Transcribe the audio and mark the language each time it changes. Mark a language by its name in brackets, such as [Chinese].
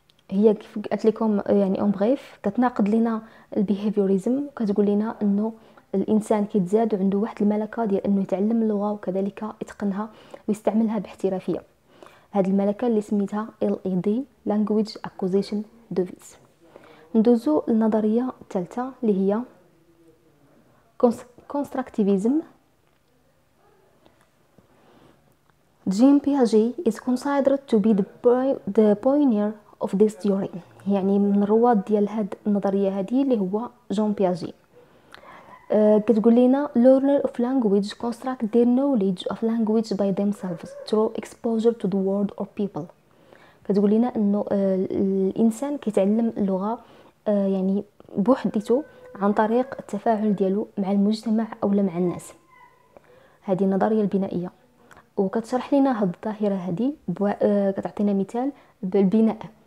[Arabic] هي كيف قالت لكم يعني اون بريف كتناقض لنا البيهيفيوريزم، كتقول لنا انه الانسان كيتزاد وعنده واحد الملكه ديال انه يتعلم اللغه وكذلك يتقنها ويستعملها باحترافيه، هذه الملكه اللي سميتها LED language acquisition device. ندوزو للنظريه الثالثه اللي هي constructivism. [English] جيم بياجي is considered to be the pioneer of this theory. [Arabic] يعني من رواد ديال هاد النظريه هذه اللي هو جون بياجي. [English] كتقول لنا learner of language construct their knowledge of language by themselves through exposure to the world or people. [Arabic] كتقول لنا انه الانسان كيتعلم اللغه يعني بوحديته عن طريق التفاعل ديالو مع المجتمع او مع الناس. هذه النظريه البنائيه، وكتشرح لنا هاد الظاهرة هادي كتعطينا مثال بالبناء.